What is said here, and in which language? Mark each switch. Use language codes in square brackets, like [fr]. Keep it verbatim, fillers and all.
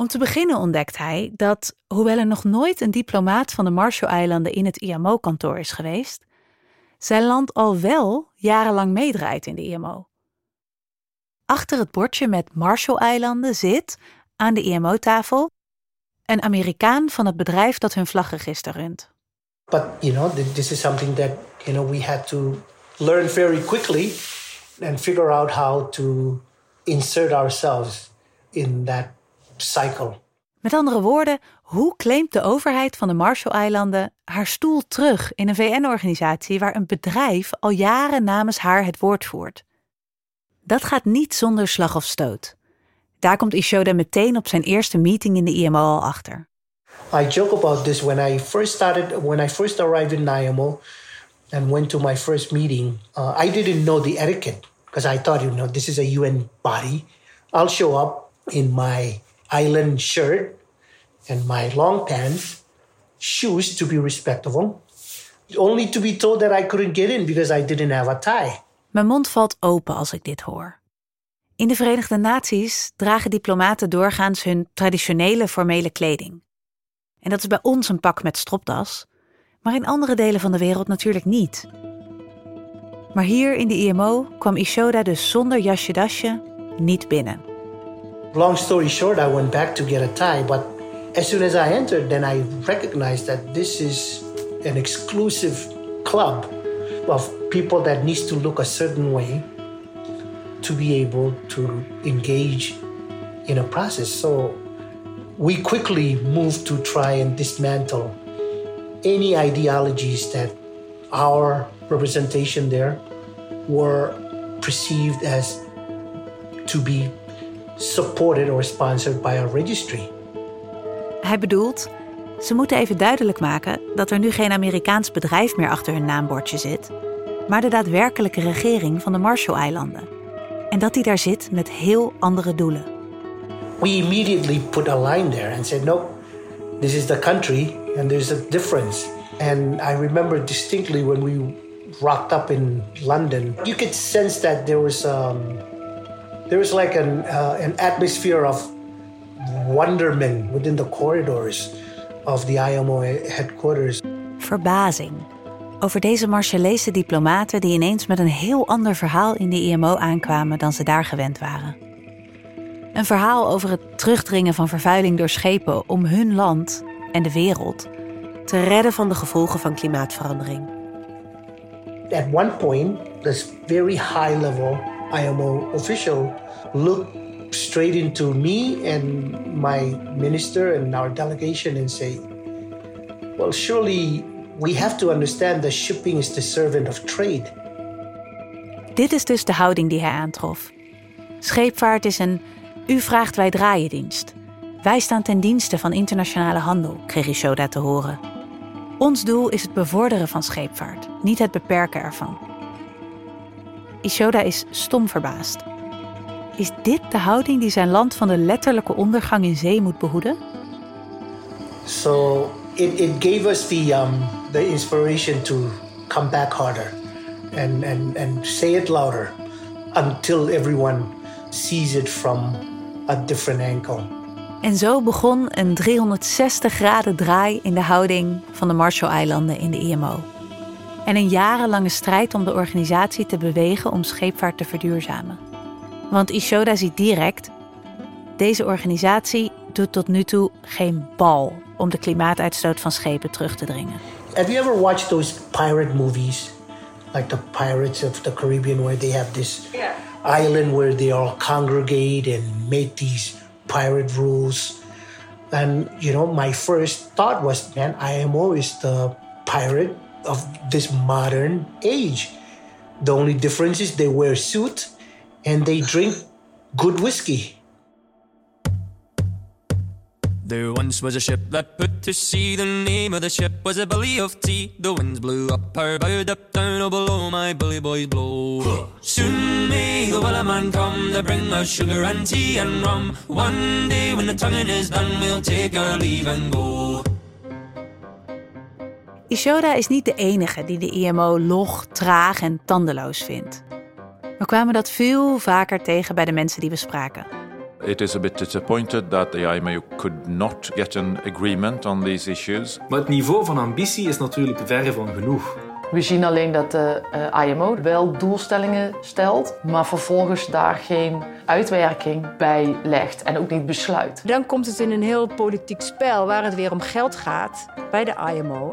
[nl] Om te beginnen ontdekt hij dat, hoewel er nog nooit een diplomaat van de Marshall-eilanden in het I M O-kantoor is geweest, zijn land al wel jarenlang meedraait in de I M O. Achter het bordje met Marshall-eilanden zit, aan de I M O-tafel, een Amerikaan van het bedrijf dat hun vlagregister runt. [en] But, you know, this is something that, you know, we had to learn very quickly and figure out how to insert ourselves in that cycle. [nl] Met andere woorden, hoe claimt de overheid van de Marshall-eilanden haar stoel terug in een V N-organisatie waar een bedrijf al jaren namens haar het woord voert? Dat gaat niet zonder slag of stoot. Daar komt Ishoda meteen op zijn eerste meeting in de I M O al achter. [en] I joke about this when I first started, when I first arrived in I M O and went to my first meeting. Uh, I didn't know the etiquette because I thought, you know, this is a U N body. I'll show up in my island shirt and my long pants, shoes to be respectable, only to be told that I couldn't get in because I didn't have a tie. [nl] Mijn mond valt open als ik dit hoor. In de Verenigde Naties dragen diplomaten doorgaans hun traditionele formele kleding. En dat is bij ons een pak met stropdas, maar in andere delen van de wereld natuurlijk niet. Maar hier in de I M O kwam Ishoda dus zonder jasje-dasje niet binnen. [en] Long story short, I went back to get a tie, but as soon as I entered, then I recognized that this is an exclusive club of people that needs to look a certain way to be able to engage in a process. So we quickly moved to try and dismantle any ideologies that our representation there were perceived as to be supported or sponsored by a registry. [nl] Hij bedoelt, ze moeten even duidelijk maken dat er nu geen Amerikaans bedrijf meer achter hun naambordje zit, maar de daadwerkelijke regering van de Marshall-eilanden. En dat die daar zit met heel andere doelen. [en] We immediately put a line there and said, nope, this is the country and there's a difference. And I remember distinctly when we rocked up in London, you could sense that there was um, there was like an uh, an atmosphere of wonderment within the corridors of the I M O headquarters. [nl] Verbazing over deze Marseillese diplomaten die ineens met een heel ander verhaal in de I M O aankwamen dan ze daar gewend waren. Een verhaal over het terugdringen van vervuiling door schepen om hun land en de wereld te redden van de gevolgen van klimaatverandering. [en] At one point, this very high-level I M O official looked straight into me and my minister and our delegation and say, well, surely we have to understand that shipping is the servant of trade. [nl] Dit is dus de houding die hij aantrof. Scheepvaart is een u vraagt wij draaien dienst. Wij staan ten dienste van internationale handel, kreeg Ishoda te horen. Ons doel is het bevorderen van scheepvaart, niet het beperken ervan. Ishoda is stom verbaasd. Is dit de houding die zijn land van de letterlijke ondergang in zee moet behoeden? [en] So it, it gave us the um, the inspiration to come back harder and and and say it louder until everyone sees it from a different angle. [nl] En zo begon een driehonderdzestig graden draai in de houding van de Marshall-eilanden in de I M O. En een jarenlange strijd om de organisatie te bewegen om scheepvaart te verduurzamen. Want Ishoda ziet direct, deze organisatie doet tot nu toe geen bal om de klimaatuitstoot van schepen terug te dringen. [en] Have you ever watched those pirate movies? Like the Pirates of the Caribbean, where they have this yeah. island where they all congregate and make these pirate rules. And, you know, my first thought was, man, I M O is the pirate of this modern age. The only difference is they wear suits and they drink good whiskey. There once was a ship that put to sea. The name of the ship was a Bully of Tea. The winds blew up her bow, up down, oh below my bully boys blow. Soon may the willow man come to bring us sugar and tea and rum. One day when the tonguing is done, we'll take our leave and go. [nl] Ishoda is niet de enige die de I M O log, traag en tandeloos vindt. We kwamen dat veel vaker tegen bij de mensen die we spraken. [en] It is a bit disappointed that the I M O could not get an agreement on these issues. [nl] Maar het niveau van ambitie is natuurlijk verre van genoeg. We zien alleen dat de I M O wel doelstellingen stelt, maar vervolgens daar geen uitwerking bij legt en ook niet besluit. Dan komt het in een heel politiek spel waar het weer om geld gaat bij de I M O.